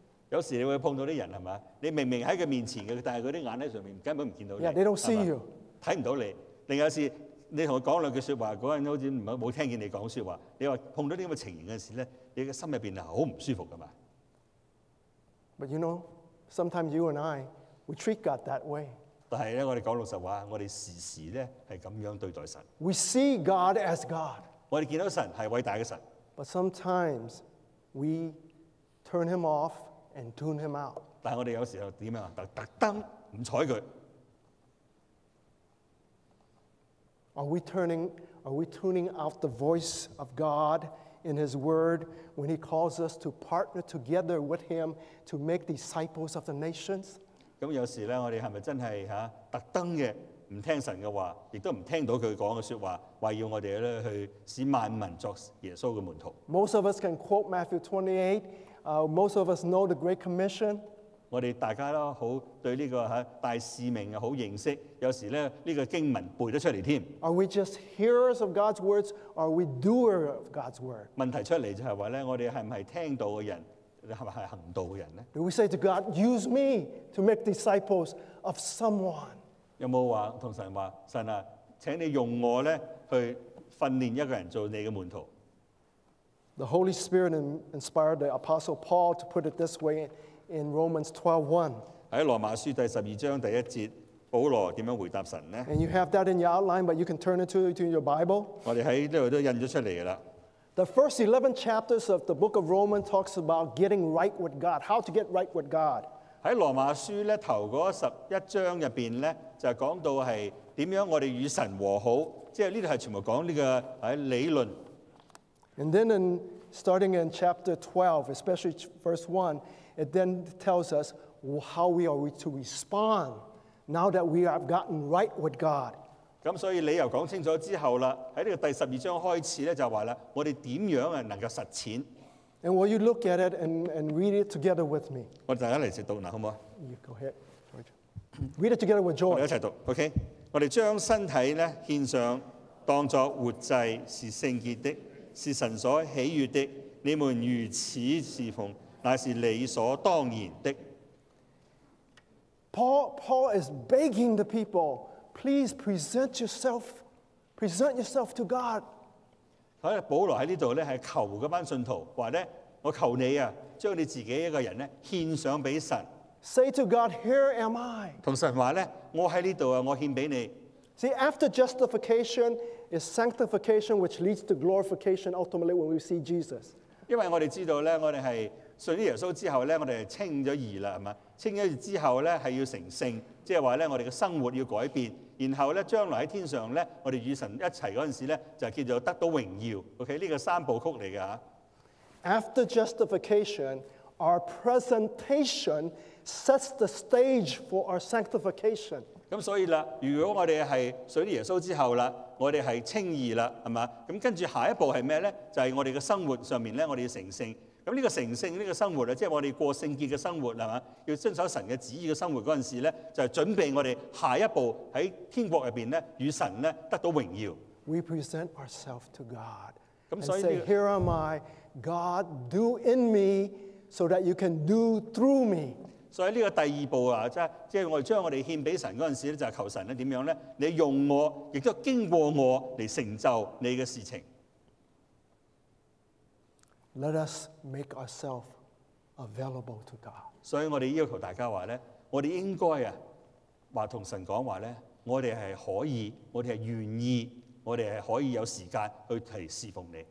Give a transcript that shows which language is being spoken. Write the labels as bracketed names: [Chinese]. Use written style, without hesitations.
[Cantonese] 有時你會碰到啲人係嘛？你明明喺佢面前嘅，但係佢啲眼喺上面，根本唔見到你。 [English] Yeah, they don't see you. [Cantonese] 睇唔到你。另有時你同佢講兩句説話，嗰人好似冇聽見你講説話。你話碰到啲咁嘅情形嘅時咧，你嘅心入邊係好唔舒服㗎嘛 [English] ？But you know, sometimes you and I, we treat God that way. [Cantonese] 但係咧，我哋講老實話，我哋時時咧係咁樣對待神。 [English] We see God as God. [Cantonese] 我哋見到神係偉大嘅神。 [English] But sometimes we turn him off and tune him out. [Cantonese] 但我哋有時候點樣啊？特登唔睬佢。 [English] Are we tuning out the voice of God in His Word when He calls us to partner together with Him to make disciples of the nations? [Cantonese] 咁有時咧，我哋係咪真係嚇特登嘅唔聽神嘅話，亦都唔聽到佢講嘅説話？為要我哋咧去使萬民作耶穌嘅門徒。 [English] Most of us can quote Matthew 28. Most of us know the Great Commission. [Cantonese] 我哋大家咧好對呢個嚇大使命好認識，有時咧呢個經文背得出嚟添。 [English] Are we just hearers of God's words? Are we doers of God's word? [Cantonese] 問題出嚟就係話咧，我哋係唔係聽到嘅人，係咪係行道嘅人咧 [English] ？Do we say to God, "Use me to make disciples of someone"? [Cantonese] 有冇話同神話神啊，請你用我咧？去訓練一個人做你嘅門徒。 [English] The Holy Spirit inspired the Apostle Paul to put it this way in Romans 12:1. [Cantonese] 喺羅馬書第十二章第一節，保羅點樣回答神呢 [English] ？And you have that in your outline, but you can turn it to your Bible. [Cantonese] 我哋喺呢度都印咗出嚟啦。 [English] The first 11 chapters of the book of Romans talks about getting right with God. How to get right with God? [Cantonese] 喺羅馬書咧頭嗰十一章入邊咧，就講到係點樣我哋與神和好。即係呢度係全部講呢個喺理論。 [English] And then in starting in chapter 12, especially verse 1, it then tells us how we are to respond now that we have gotten right with God. [Cantonese] 咁所以理由講清楚之後啦，喺呢個第十二章開始咧就話啦，我哋點樣啊能夠實踐 [English] ？And will you look at it and read it together with me? [Cantonese] 我大家嚟一齊讀嗱，好唔好 [English] ？You go ahead, George. Read it together with George. [Cantonese] 我哋一齊讀 ，OK。我哋將身體咧獻上，當作活祭，是聖潔的，是神所喜悅的。你們如此侍奉，乃是理所當然的。 [English] Paul is begging the people, please present yourself to God。 [Cantonese] 喺保羅喺呢度咧，係求嗰班信徒話咧：我求你啊，將你自己一個人咧獻上俾神。 [English] Say to God, "Here am I." [Cantonese] 同神話咧，我喺呢度啊，我獻俾你。 [English] See, after justification is sanctification, which leads to glorification ultimately when we see Jesus. [Cantonese] 因為我哋知道咧，我哋係信咗耶穌之後咧，我哋係清咗義啦，係嘛？清咗義之後咧，係要成聖，即係話咧，我哋嘅生活要改變，然後咧，將來喺天上咧，我哋與神一齊嗰陣時咧，就叫做得到榮耀。 OK， 呢個三部曲嚟㗎嚇。 [English] After justification, our presentationsets the stage for our sanctification. [Cantonese] 咁所以啦，如果我哋係信咗耶穌之後啦，我哋係稱義啦，係嘛？咁跟住下一步係咩咧？就係我哋嘅生活上面咧，我哋要成聖。咁呢個成聖呢個生活啊，即係我哋過聖潔嘅生活係嘛？要遵守神嘅旨意嘅生活嗰陣時咧，就係準備我哋下一步喺天國入邊咧，與神咧得到榮耀。 [English] We present ourselves to God. and say, here am I, God, do in me so that you can do through me. [Cantonese] 所以呢個第二步啊，即係我哋將我哋獻俾神嗰陣時咧，就係求神咧點樣咧？你用我，亦都經過我嚟成就你嘅事情。 Let us make ourselves available to God. 所以我哋要求大家話咧，我哋應該啊話同神講話咧，我哋係可以，我哋係願意，我哋係可以有時間去嚟侍奉你。